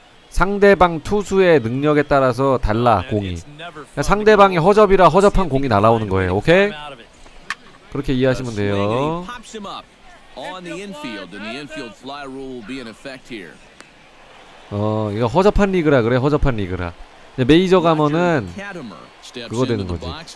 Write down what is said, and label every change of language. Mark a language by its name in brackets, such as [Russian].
[Korean] 상대방 투수의 능력에 따라서 달라 공이. 상대방의 허접이라 허접한 공이 날아오는 거예요. 오케이? 그렇게 이해하시면 돼요. [English] On the infield and the infield fly rule will be in effect here. [Korean] 이거 허접한 리그라 그래. 허접한 리그라. 메이저 가면은 그거 되는 거지.